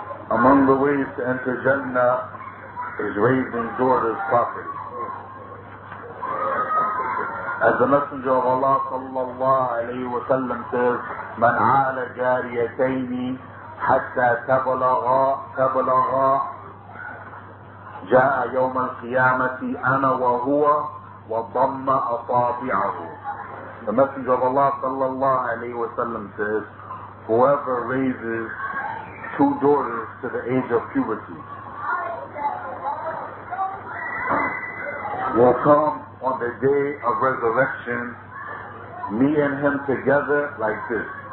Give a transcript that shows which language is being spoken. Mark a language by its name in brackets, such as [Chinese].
[English] Among the ways to enter Jannah is raising daughters properly. As the Messenger of Allah sallallahu alayhi wa sallam says, [Arabic] من عال جاريتين حتى تبلغا جاء يوم القيامة أنا وهو وضم أصابعه. [English] The Messenger of Allah sallallahu alayhi wa sallam says, whoever raises two daughters to the age of puberty will come on the day of resurrection, me and him together like this.